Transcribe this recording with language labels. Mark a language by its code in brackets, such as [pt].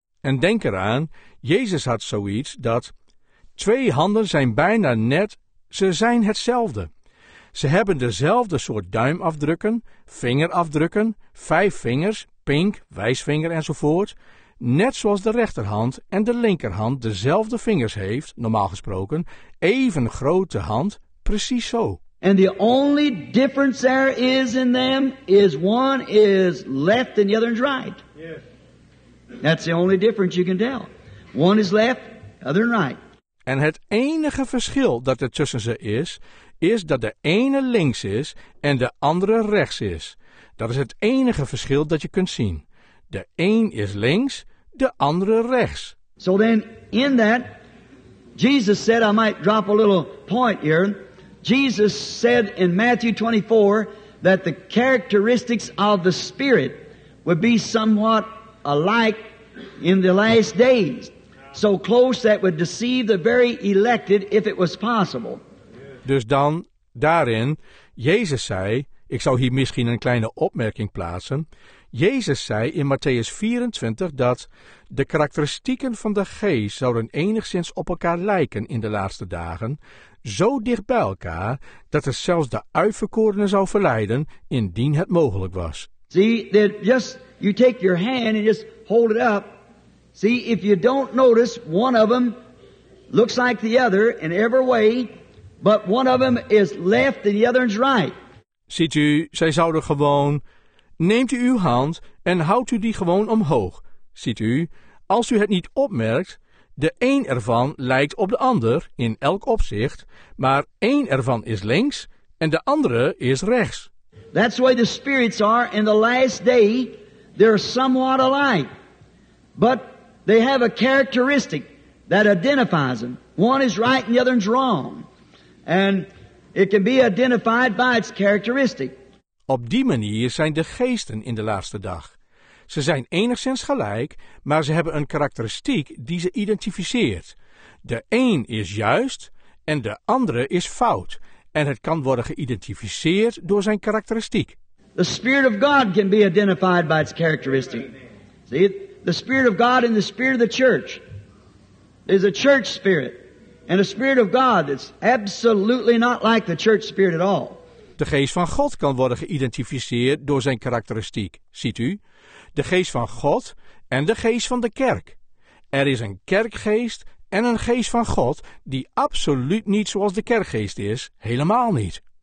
[nl] En denk eraan, Jezus had zoiets dat twee handen zijn bijna net, ze zijn hetzelfde. Ze hebben dezelfde soort duimafdrukken, vingerafdrukken, vijf vingers, pink, wijsvinger enzovoort. Net zoals de rechterhand en de linkerhand dezelfde vingers heeft, normaal gesproken, even grote hand, precies zo. [en] And the only difference there is in them is one is left and the other is right. Yes. That's the only difference you can tell. One is left, other right. [nl] En het enige verschil dat er tussen ze is, is dat de ene links is en de andere rechts is. Dat is het enige verschil dat je kunt zien. De een is links, de andere rechts. [en] So then in that, Jesus said, I might drop a little point here. Jesus said in Matthew 24 that the characteristics of the Spirit would be somewhat alike in the last days. So close that would deceive the very elected if it was possible. [nl] Dus dan daarin, Jezus zei, ik zou hier misschien een kleine opmerking plaatsen. Jezus zei in Matthäus 24 dat de karakteristieken van de geest zouden enigszins op elkaar lijken in de laatste dagen, zo dicht bij elkaar dat het zelfs de uitverkorenen zou verleiden indien het mogelijk was. [en] See, that just you take your hand and just hold it up. See, if you don't notice, one of them looks like the other in every way, but one of them is left and the other is right. [nl] Ziet u, zij zouden gewoon, neemt u uw hand en houdt u die gewoon omhoog. Ziet u, als u het niet opmerkt, de een ervan lijkt op de ander in elk opzicht, maar één ervan is links en de andere is rechts. [en] That's why the spirits are in the last day, they're somewhat alike. But they have a characteristic that identifies them. One is right and the other is wrong. And it can be identified by its characteristic. [nl] Op die manier zijn de geesten in de laatste dag. Ze zijn enigszins gelijk, maar ze hebben een karakteristiek die ze identificeert. De een is juist en de andere is fout. En het kan worden geïdentificeerd door zijn karakteristiek. [en] The Spirit of God can be identified by its characteristic. See, the Spirit of God and the Spirit of the Church is a church spirit. And a spirit of God that's absolutely not like the church spirit at all. [nl] De geest van God kan worden geïdentificeerd door zijn karakteristiek, ziet u? De geest van God en de geest van de kerk. Er is een kerkgeest en een geest van God die absoluut niet zoals de kerkgeest is, helemaal niet.